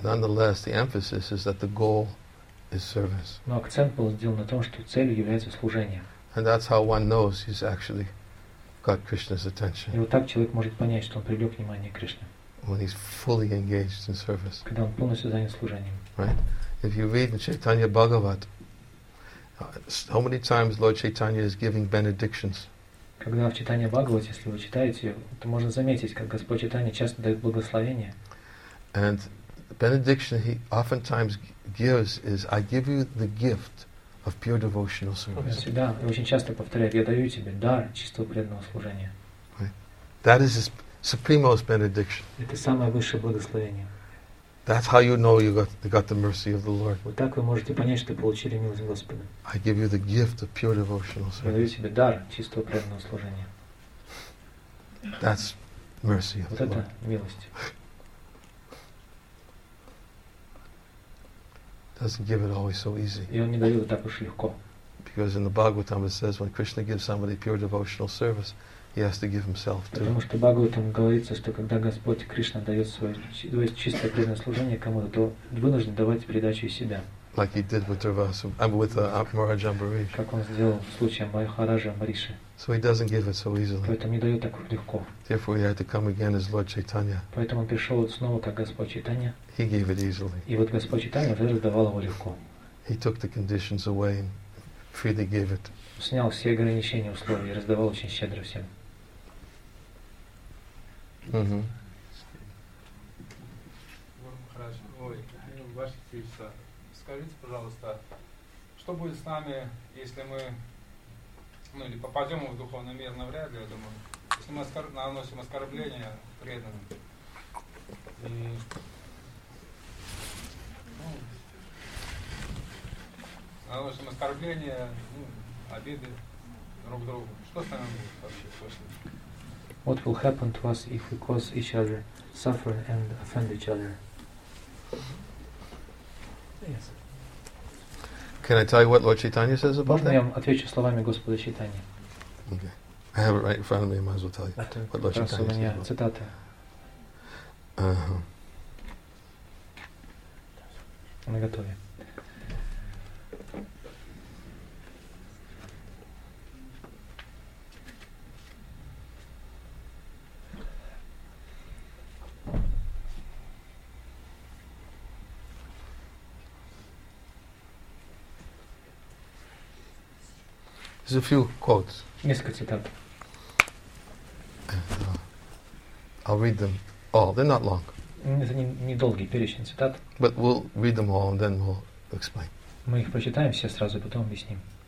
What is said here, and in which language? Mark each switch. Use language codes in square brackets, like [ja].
[en] Nonetheless, the emphasis is that the goal is service. [ru] Но акцент был сделан на том, что целью является служение. [en] And that's how one knows he's actually got Krishna's attention. [ru] И вот так человек может понять, что он привлек внимание Кришны. [en] When he's fully engaged in service. [ru] Когда он полностью занят служением. [en] Right? If you read in Chaitanya Bhagavat, how many times Lord Chaitanya is giving benedictions? [ru] Когда в Читании Бхагават, если вы читаете, то можно заметить, как Господь Читания часто дает благословение. [en] And the benediction he oftentimes gives is, I give you the gift of pure devotional service. [ru] Да, и очень часто повторяет, я даю тебе дар чистого преданного служения. [en] That is his supremest benediction. [ru] Это самое высшее благословение. [en] That's how you know you got the mercy of the Lord. [ru] Вот так вы можете понять, что получили милость Господа. [en] I give you the gift of pure devotional service. [ru] Я даю тебе дар чистого преданного служения. [en] That's mercy of [ru] вот [en] the Lord. [ru] Вот это милость. [en] Doesn't give it always so easy. [ru] И он не дает так уж легко. [en] Because in the Bhagavatam it says when Krishna gives somebody pure devotional service, He has to give himself to. [ru] Потому что Бхагаватам говорится, что когда Господь Кришна дает свое чистое преданное служение кому-то, то вынужден давать передачу из себя. [en] Like he did with Tarvasu, with Maharaj Ambarish. [ru] Как он сделал в случае Махараджа Амбариша. [en] So he doesn't give it so easily. [ru] Поэтому не дает так легко. [en] Therefore, he had to come again as Lord Chaitanya. [ru] Поэтому он пришел снова как Господь Чайтанья. [en] He gave it easily. [ru] И вот Господь Чайтанья уже раздавал его легко. [en] He took the conditions away and freely gave it. [ru] Снял все ограничения, условия и раздавал очень щедро всем. Скажите, пожалуйста, что будет с нами, если мы, ну или попадем в духовный мир, навряд ли, я думаю, если мы наносим оскорбления преданным. Наносим оскорбления, обиды друг другу. Что с нами будет вообще после? [en] What will happen to us if we cause each other suffer and offend each other? Yes. Can I tell you what Lord Chaitanya says about that? [ru] Можно я отвечу словами Господа Чайтаньи? [en] Okay. I have it right in front of me. I might as well tell you what Lord Chaitanya says about that. [ru] Цитата. Мы готовы. [en] There's a few quotes. [ru] Несколько цитат. [en] I'll read them all. They're not long. [ru] Это не долгий перечень цитат. [en] But we'll read them all and then we'll explain. [ru] Мы их прочитаем все сразу, потом объясним.